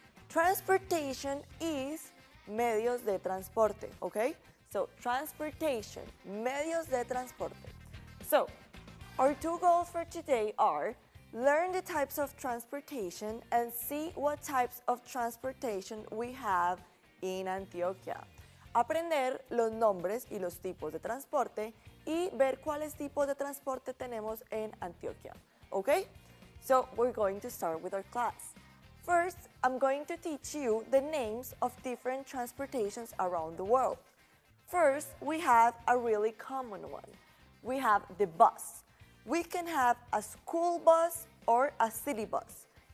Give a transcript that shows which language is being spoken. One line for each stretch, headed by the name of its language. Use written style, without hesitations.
English: Transportation is
Spanish: medios de transporte,
English: okay? So transportation,
Spanish: medios de transporte.
English: So our two goals for today are learn the types of transportation and see what types of transportation we have in Antioquia.
Spanish: Aprender los nombres y los tipos de transporte y ver cuáles tipos de transporte tenemos en Antioquia, okay?
English: So we're going to start with our class. First, I'm going to teach you the names of different transportations around the world. First, we have a really common one. We have the bus. We can have a school bus or a city bus.